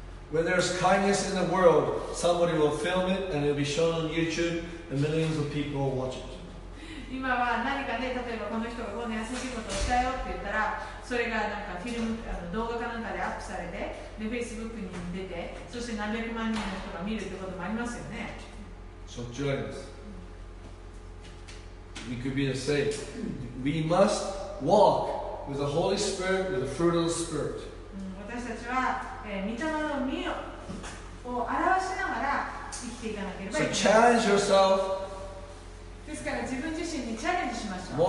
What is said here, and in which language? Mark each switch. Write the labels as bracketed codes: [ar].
[en] When there's kindness in the world, somebody will film it and it'll be shown on YouTube and millions of people will watch it. [ja] 今は何かね、例えばこの人がこんな優しいことをしたよって言ったら、それがなんかフィルム、動画かなんかでアップされて、で Facebook に出て、そして何百万人の人が見るってこともありますよね。しょっちゅうあります。 [en] We could be the same. We must walk with the Holy Spirit, with the fruit of the Spirit. [ja] 私たちは、御霊の実を表しながら生きていかなければいけない。 [en] So challenge yourself. [ja] ですから自分自身にチャレンジしましょう。